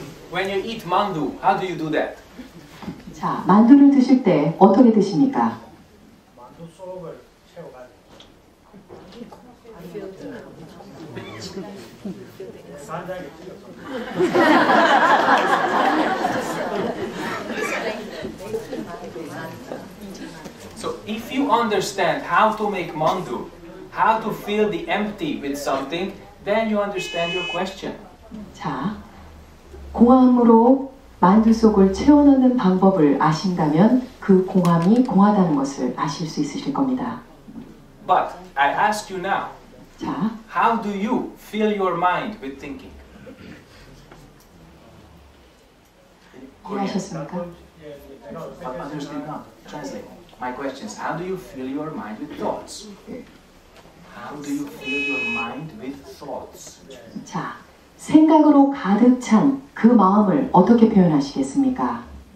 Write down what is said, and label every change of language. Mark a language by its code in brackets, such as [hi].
[en] When you eat mandu, how do you do that? [ko] 자, 만두를 드실 때 어떻게 드십니까? 만두 속을 채워가지고. [en] So if you understand how to make mandu, how to fill the empty with something, then you understand your question. [ko] 자, 공황으로 만두 속을 채워넣는 방법을 아신다면 그 공함이 공하다는 것을 아실 수 있으실 겁니다. [en] But I ask you now. [ko] 자, [en] how do you fill your mind with thinking? [ko] 이해하셨습니까? [en] Translate my questions. How do you fill your mind with thoughts? How do you fill your mind with thoughts? [ko] 자, 생각으로 가득 찬 그 마음을 어떻게 표현하시겠습니까?